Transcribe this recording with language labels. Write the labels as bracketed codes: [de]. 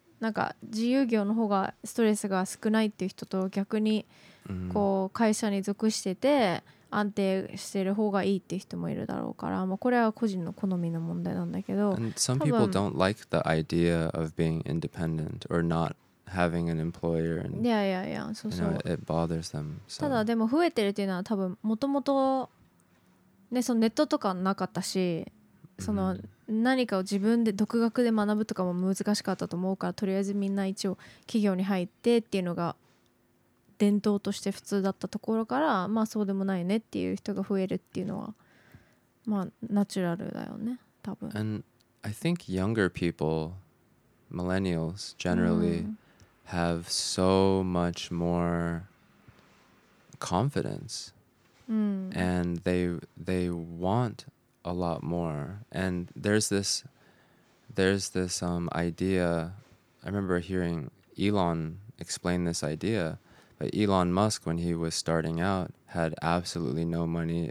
[ja] なんか自由業の方がストレスが少ないっていう人と、逆にこう会社に属してて安定してる方がいいっていう人もいるだろうから、まあ、これは個人の好みの問題なんだけど。 [en] And some people don't like the idea of being independent or not. Having an employer and yeah, yeah, yeah. So, you know, it bothers them. So. [ja] ただでも増えてるっていうのは多分もともとね、そのネットとかなかったし、その何かを自分で独学で学ぶとかも難しかったと思うから、とりあえずみんな一応企業に入ってっていうのが伝統として普通だったところから、まあそうでもないねっていう人が増えるっていうのは、まあナチュラルだよね多分。 [en] And I think younger people, millennials generally、mm. have so much more confidence、and they want a lot more. And there's this idea, I remember hearing Elon explain this idea, but Elon Musk, when he was starting out, had absolutely no money.